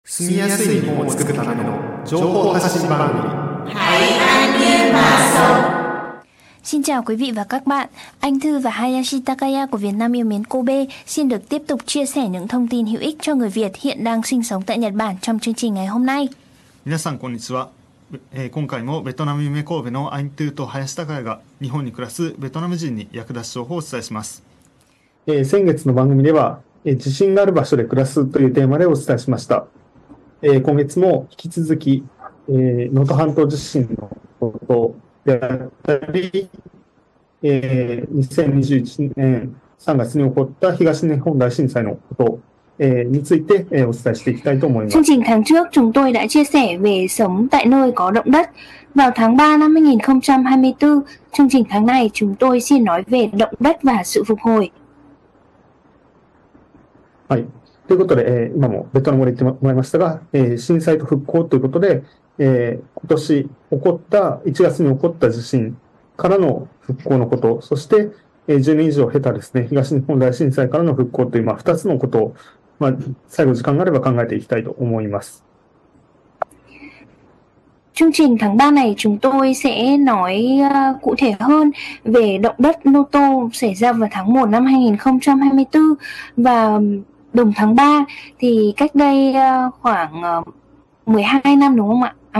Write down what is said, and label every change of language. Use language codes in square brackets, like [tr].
[ja] 住みやすい日本を作るための情報発信番組台湾ニューマーソン。 [vi] Xin chào quý vị và các bạn. Anh Thư và Hayashi Takaya của Việt Nam yêu mến Kobe xin được tiếp tục chia sẻ những thông tin hữu ích cho người Việt hiện đang sinh sống tại Nhật Bản trong chương trình ngày hôm nay. [ja] 皆さんこんにちは。今回もベトナム夢神戸のアイントゥーと林高也が日本に暮らすベトナム人に役立つ情報をお伝えします。先月の番組では、地震がある場所で暮らすというテーマでお伝えしました。今月も引き続き、能登半島地震のことであったり、2021年3月に起こった東日本大震災のこと、について、お伝えしていきたいと思います。 [vi] Chương trình tháng trước chúng tôi đã chia sẻ về sống tại nơi có động đất. Vào tháng 3 năm 2024, chương trình tháng này chúng tôi xin nói về động đất và sự phục hồi. [ja] はい。ということで、今もベトナム語で言ってもらいましたが、震災と復興ということで、今年起こった1月に起こった地震からの復興のこと、そして10年以上経たですね、東日本大震災からの復興という、まあ、2つのことを、まあ、最後時間があれば考えていきたいと思います。 [vi] Chương trình tháng 3 này chúng tôi sẽ nói cụ thể hơn về động đất Noto xảy ra vào tháng 1 năm 2024 và đồng tháng 3 thì cách đây khoảng 12 năm đúng không ạ?